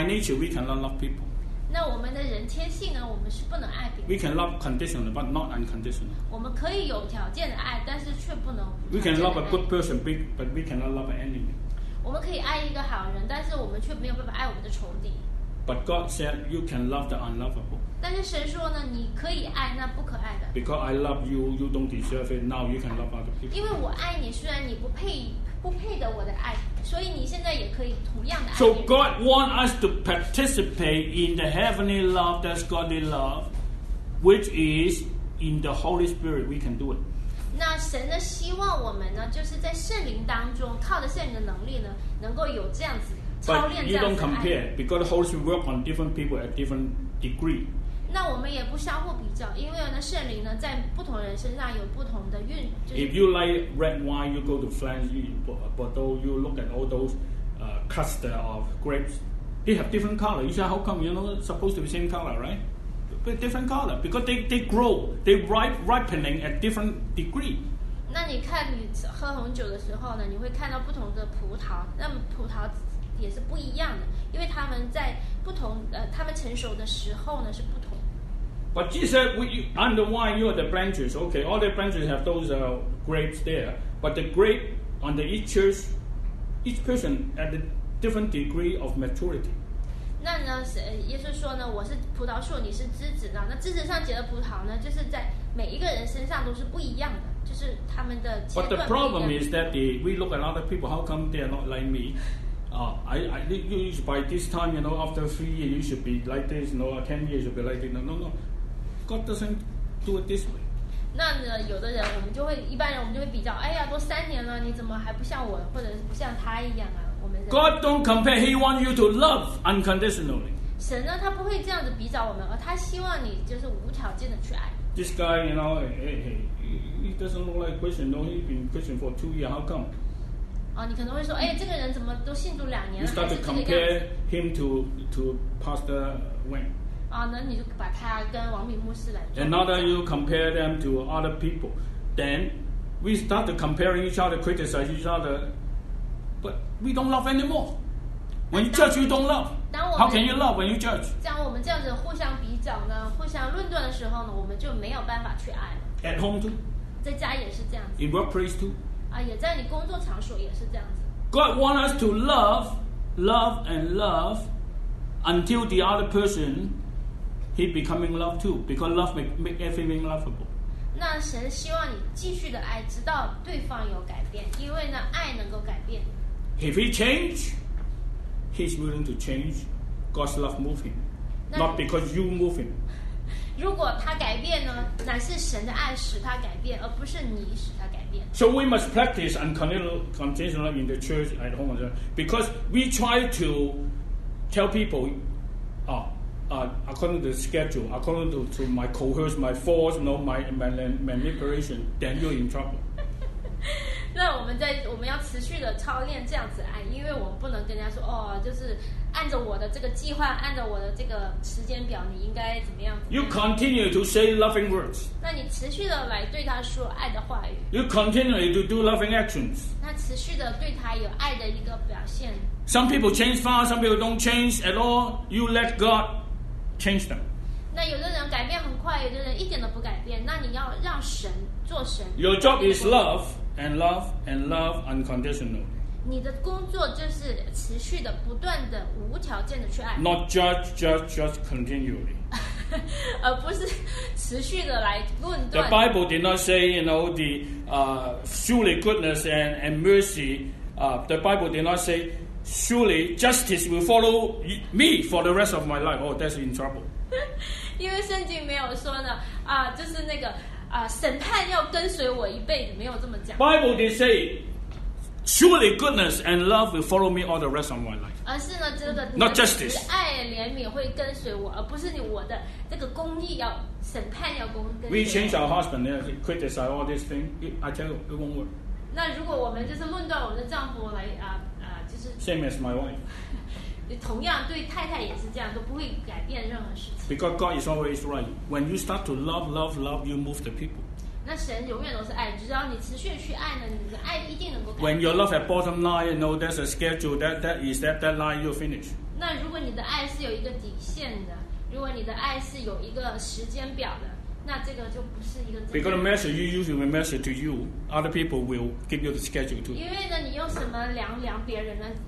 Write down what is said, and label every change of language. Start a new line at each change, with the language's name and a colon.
English: By nature, we cannot love people.
Chinese: 那我们的人天性呢，我们是不能爱别人。
English: We can love conditionally, but not unconditional.
Chinese: 我们可以有条件的爱，但是却不能。
English: We can love a good person, but we cannot love an enemy.
Chinese: 我们可以爱一个好人，但是我们却没有办法爱我们的仇敌。
English: But God said you can love the unlovable.
Chinese: 但是神说呢，你可以爱那不可爱的。
English: Because I love you, you don't deserve it. Now you can love other people.
Chinese: 因为我爱你，虽然你不配得我的爱，所以你现在也可以同样的爱。
English: So God wants us to participate in the heavenly love, that's godly love, which is in the Holy Spirit. We can do it.
Chinese: 那神呢希望我们呢就是在圣灵当中靠着圣灵的能力呢能够有这样子操练这样子的爱。
English: But you don't compare because the Holy Spirit works on different people at different degree.
Chinese: 那我们也不相互比较，因为呢圣灵呢在不同人身上有不同的运、就是、
English: If you like red wine, you go to France, Bordeaux, you look at all those、cluster of grapes. They have different color. You say, how come you're not supposed to be same color, right? But different color because they grow, they ripening at different degree.
Chinese: 那你看你喝红酒的时候呢，你会看到不同的葡萄，那葡萄也是不一样的，因为他们在不同他们成熟的时候呢是不同。
English: But Jesus, I'm the wine, you are the branches. Okay, all the branches have those grapes there, but the grape on the each church, each person at a different degree of maturity.
Chinese: 那呢，耶稣说呢，我是葡萄树，你是枝子呢。那枝子上结的葡萄呢，就是在每一个人身上都是不一样的，就是他们的阶段。
English: But the problem is that we look at other people. How come they are not like me? By this time, you know, after 3 years, you should be like this. No, 10 years, you should be like this. No. God doesn't do it this way.
Chinese: 那呢，有的人我们就会，一般人我们就会比较，哎呀，都3年了，你怎么还不像我，或者是不像他一样啊？
English: God don't compare. He wants you to love unconditionally.
Chinese: 神呢，他不会这样子比较我们，而他希望你就是无条件的去爱。
English: This guy, you know, he doesn't look like Christian. No, he's been Christian for 2 years. How come?
Chinese: 哦，你可能会说，哎，这个人怎么都信主2年了？
English: You start to compare him to Pastor Wang.
Chinese: 啊，那你就把他跟王敏牧师来。
English: And now that you compare them to other people, then we start to comparing each other, criticize each other. But we don't love anymore. When you judge, you don't love. How can you love when you judge?
Chinese: 当我们这样子互相比较呢，互相论断的时候呢，我们就没有办法去爱了。
English: At home too.
Chinese: 在家也是这样子。
English: In workplace too.
Chinese: 啊，也在你工作场所也是这样子。
English: God wants us to love and love until the other person he becoming love too, because love make everything lovable.
Chinese: 那神希望你继续的爱，直到对方有改变，因为呢，爱能够改变。
English: If he change, he's willing to change. God's love move him, not because you move him.
Chinese: 如果他改变呢，乃是神的爱使他改变，而不是你使他改变。
English: So we must practice unconditional love in the church at home, because we try to tell people, according to the schedule, according to my coerce, my force, you know, my manipulation, then you're in trouble.
Chinese: 那我们要持续的操练这样子爱，因为我们不能跟人家说哦，就是按照我的这个计划，按照我的这个时间表，你应该怎么样？
English: You continue to say loving words.
Chinese: 那你持续的来对他说爱的话语。
English: You continue to do loving actions.
Chinese: 那持续的对他有爱的一个表现。
English: Some people change fast, some people don't change at all. You let God. Change them.
Chinese: 那有的人改变很快，有的人一点都不改变。那你要让神做神。
English: Your job is love and love and love unconditionally.
Chinese: 你的工作就是持续的、不断的、无条件的去爱。
English: Not judge continually.
Chinese: 而不是持续的来论断。
English: The Bible did not say, you know, the surely goodness and mercy. The Bible did not say. Surely justice will follow me for the rest of my life. Oh, that's in trouble.
Chinese: 因为圣经没有说呢，就是那个审判要跟随我一辈子，没有这么讲。
English: Bible did say, surely goodness and love will follow me all the rest of my life.
Chinese: 而是呢，这个
English: not justice,
Chinese: 爱怜悯会跟随我，而不是你我的这个公义要审判要跟随我。
English: We change our husband, then criticize all this thing. I tell you, it won't work.
Chinese: 那如果我们就是论断我们的丈夫来啊。
English: Same as my wife.
Chinese: 同样对太太也是这样，都不会改变任何事情。
English: Because God is always right. When you start to love, you move the people.
Chinese: 那神永远都是爱，只要你持续去爱呢，你的爱一定能够改变。
English: When your love at bottom line, you know there's a schedule. That is that line you finish.
Chinese: 那如果你的爱是有一个底线的，如果你的爱是有一个时间表的，那这个就不是一个。
English: Because the message you use the message to you, other people will give you the schedule too.
Chinese: 因为呢，你用什么量别人呢？